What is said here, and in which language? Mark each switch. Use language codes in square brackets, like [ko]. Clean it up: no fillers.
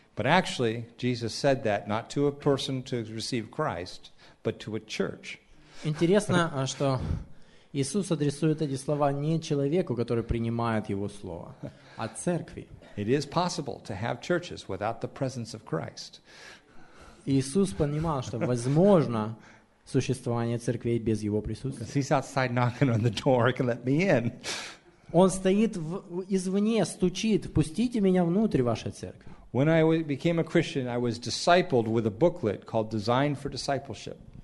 [en] But actually, Jesus said that not to a person to receive Christ, but to a church. [ru] Интересно, что Иисус адресует эти слова не человеку, который принимает его слово, а церкви. [en] It is possible to have churches without the presence of Christ. [ru] Иисус понимал, что возможно существование церквей без его присутствия. [en] He's outside knocking on the door, can let me in. [ru] Он стоит извне, стучит, впустите меня внутрь вашей церкви. [en] When I became a Christian, I was discipled with a booklet called Design for Discipleship.